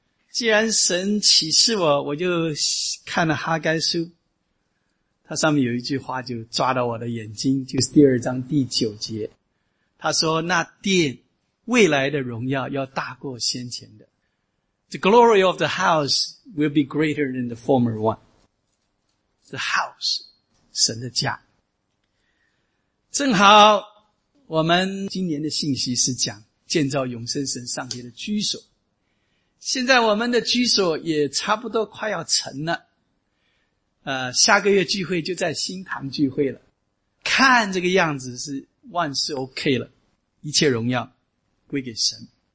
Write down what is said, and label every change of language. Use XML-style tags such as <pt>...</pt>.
<zh>既然神启示我，我就看了哈该书，它上面有一句话就抓到我的眼睛，就是第二章第九节，他说那殿未来的荣耀要大过先前的。</zh> <en>The glory of the house will be greater than the former one。 The house,</en> <zh>神的家。正好我们今年的信息是讲建造永生神上帝的居所，现在我们的居所也差不多快要成了，下个月聚会就在新堂聚会了，看这个样子是万事 OK 了，一切荣耀归给神。</zh>